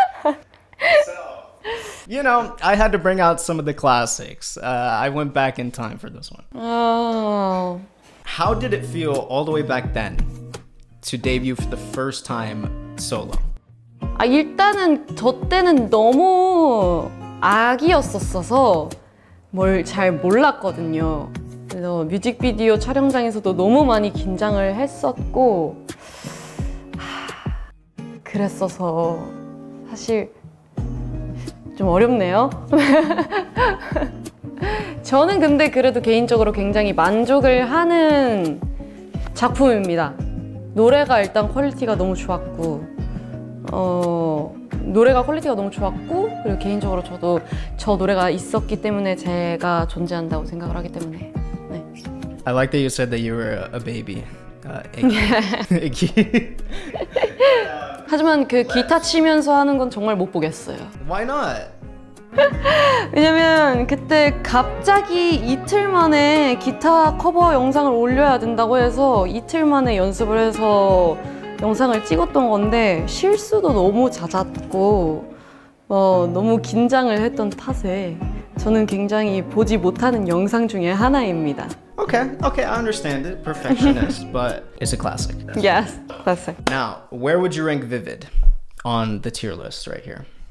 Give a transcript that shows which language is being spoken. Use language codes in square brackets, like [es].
[en] So, you know, I had to bring out some of the classics. I went back in time for this one. Oh. How did it feel all the way back then to debut for the first time solo? [ko] 아, 일단은 저 때는 너무 아기였었어서 뭘 잘 몰랐거든요. 그래서 뮤직비디오 촬영장에서도 너무 많이 긴장을 했었고 그랬어서 사실 좀 어렵네요. 저는 근데 그래도 개인적으로 굉장히 만족을 하는 작품입니다. 노래가 일단 퀄리티가 너무 좋았고 노래가 퀄리티가 너무 좋았고 그리고 개인적으로 저도 저 노래가 있었기 때문에 제가 존재한다고 생각을 하기 때문에 네. [en] I like that you said that you were a baby. Iggy. [ko] Iggy. 하지만 그 기타 치면서 하는 건 정말 못 보겠어요. [en] Why not? [ko] 왜냐면 그때 갑자기 이틀 만에 기타 커버 영상을 올려야 된다고 해서 이틀 만에 연습을 해서 영상을 찍었던 건데 실수도 너무 잦았고 너무 긴장을 했던 탓에 저는 굉장히 보지 못하는 영상 중에 하나입니다. [en] Okay, okay, I understand it. Perfectionist, but it's a classic. Yes, classic. Now, where would you rank Vivid on the tier list right here?